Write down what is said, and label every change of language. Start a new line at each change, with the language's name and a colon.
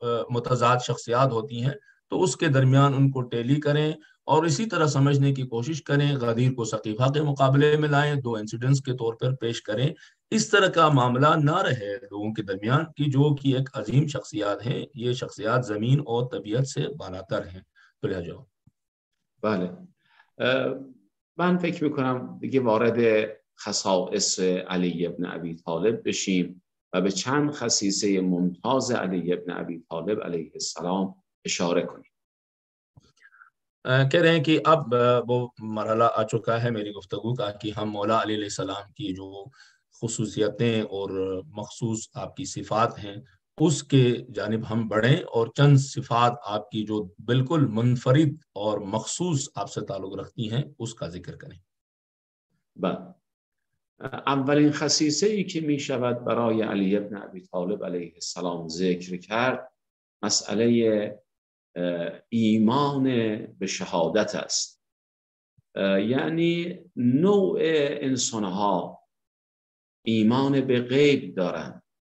Urdu: متضاد شخصیات ہوتی ہیں تو اس کے درمیان ان کو ٹیلی کریں اور اسی طرح سمجھنے کی کوشش کریں، غدیر کو سقیفہ کے مقابلے میں لائیں، دو انسیڈنٹس کے طور پر پیش کریں، اس طرح کا معاملہ نہ رہے لوگوں کے درمیان کی جو کہ ایک عظیم شخصیات ہیں، یہ شخصیات زمین اور طبیعت سے بالاتر ہیں. بلا جاؤ
Persian: بله من فکر میکنم دیگه وارد خصائص علی ابن ابی طالب بشیم و به چند خصیصه ممتاز علی ابن ابی طالب علیه السلام اشاره کنیم.
Urdu: کہہ رہے ہیں کہ اب وہ مرحلہ آ چکا ہے میری گفتگو کا کہ ہم مولا علی علیہ السلام کی جو خصوصیتیں اور مخصوص آپ کی صفات ہیں اس کے جانب ہم بڑھیں، اور چند صفات آپ کی جو بالکل منفرد اور مخصوص آپ سے تعلق رکھتی ہیں اس کا ذکر کریں.
Persian: اولین خصیصه ای که می شود برای علی ابن ابی طالب علیه السلام ذکر کرد مسئله ایمان به شهادت است، یعنی نوع انسانها ایمان به غیب دارند.